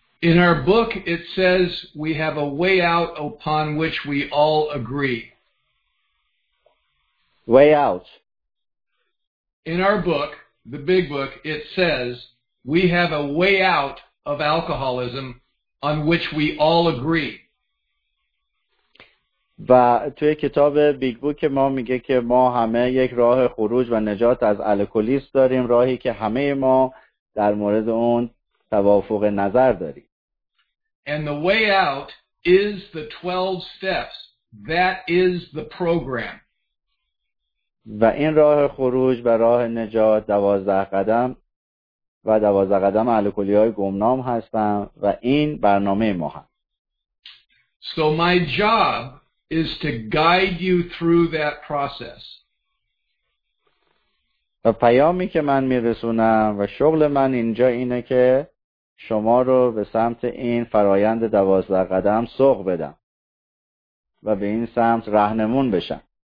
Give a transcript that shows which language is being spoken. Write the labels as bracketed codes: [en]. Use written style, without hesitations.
[en] In our book it says we have a way out upon which we all agree. Way out. In our book, the big book, it says we have a way out of alcoholism on which we all agree. [fa] و توی کتاب بیگ بوک ما میگه که ما همه یک راه خروج و نجات از الکلیسم داریم، راهی که همه ما در مورد اون توافق نظر داریم. [en] And the way out is the 12 steps. That is the program. [fa] و این راه خروج و راه نجات 12 قدم و 12 قدم الکلی‌های گمنام هستم و این برنامه ما هست. [en] So my job is to guide you through that process. [fa] و پیامی که من میرسونم و شغل من اینجا اینه که شما رو به سمت این فرایند 12 قدم سوق بدم و به این سمت راهنمون بشم.